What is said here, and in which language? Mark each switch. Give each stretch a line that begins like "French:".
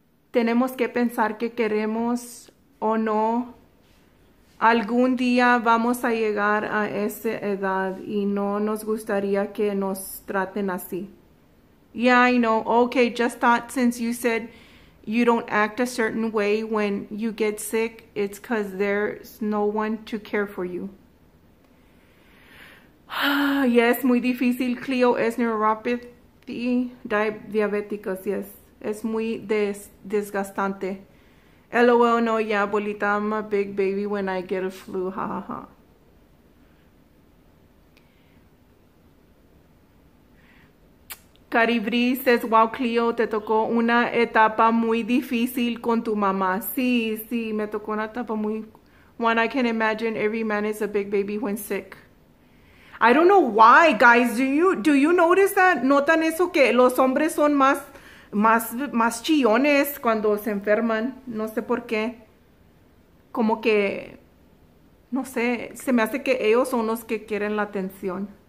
Spanish: Tenemos que pensar que queremos o no. Algún día vamos a llegar a esa edad y no nos gustaría que nos traten así.
English: Yeah, I know. Okay, just thought since you said you don't act a certain way when you get sick, it's because there's no one to care for you.
Spanish: Yes, muy difícil. Cleo es neuropathy, diabéticos, yes. Es muy desgastante.
English: LOL, no, yeah, abuelita, I'm a big baby when I get a flu, jajaja.
Spanish: Caribris says, wow, Cleo, te tocó una etapa muy difícil con tu mamá. Sí, me tocó una etapa muy.
English: One, I can imagine every man is a big baby when sick. I don't know why, guys. Do you notice that?
Spanish: ¿Notan eso que los hombres son más chillones cuando se enferman? No sé por qué. Como que, no sé, se me hace que ellos son los que quieren la atención.